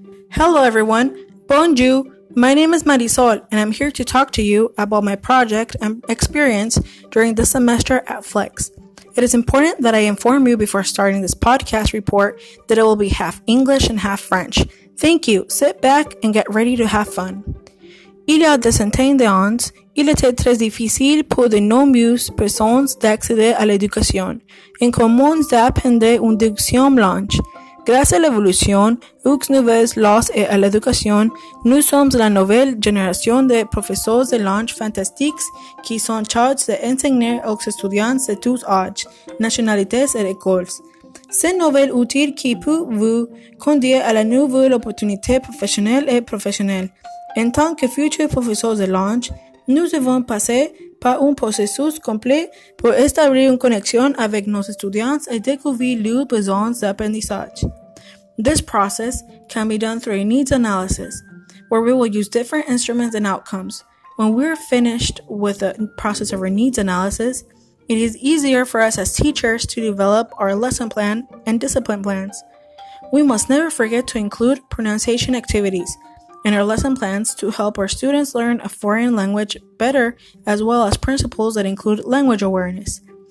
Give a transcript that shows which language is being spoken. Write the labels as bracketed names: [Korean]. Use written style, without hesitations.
[English] Hello everyone, bonjour, my name is Marisol and I'm here to talk to you about my project and experience during this semester at Flex. It is important that I inform you before starting this podcast report that it will be half English and half French. Thank you, sit back and get ready to have fun. [French] Il y a des centaines d'années, il était très difficile pour de nombreuses personnes d'accéder à l'éducation, en commun d'apprendre une deuxième langue. Grâce à l'évolution, aux nouvelles lois et à l'éducation, nous sommes la nouvelle génération de professeurs de langue fantastiques qui sont chargés d'enseigner aux étudiants de tous âges, nationalités et écoles. Ce nouvel outil qui peut vous conduire à la nouvelle opportunité professionnelle et professionnelle. En tant que futurs professeurs de langue, nous devons passer par un processus complet pour établir une connexion avec nos étudiants et découvrir leurs besoins d'apprentissage. [English] This process can be done through a needs analysis, where we will use different instruments and outcomes. When we are finished with the process of our needs analysis, it is easier for us as teachers to develop our lesson plan and discipline plans. We must never forget to include pronunciation activities in our lesson plans to help our students learn a foreign language better, as well as principles that include language awareness.